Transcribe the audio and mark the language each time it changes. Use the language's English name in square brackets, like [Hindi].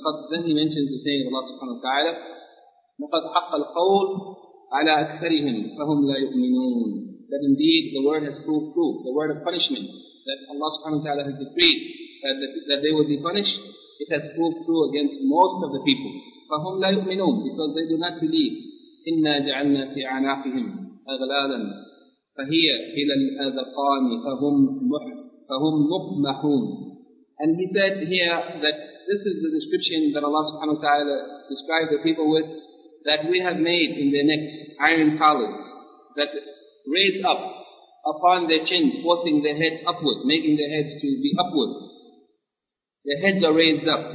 [English] Then he mentions the saying of Allah subhanahu wa ta'ala, [Arabic] لَقَدْ حَقَّ الْقَوْلُ عَلَىٰ أَكْثَرِهِمْ فَهُمْ لَا يُؤْمِنُونَ [English] That indeed the word has proved true, the word of punishment. That Allah subhanahu wa ta'ala has decreed that they will be punished, it has proved true against most of the people. [Arabic] فَهُمْ لَا يُؤْمِنُونَ [English] Because they do not believe. [Arabic] إِنَّا جَعَلْنَا فِي عَنَاقِهِمْ أَغْلَالًا فَهِيَ إِلَى الْأَذَقَانِ فَهُمْ مُحْمَحُونَ [English] And he said here that this is the description that Allah subhanahu wa ta'ala described the people with, that we have made in their necks iron collars that raise up upon their chin, forcing their heads upward, making their heads to be upward. Their heads are raised up.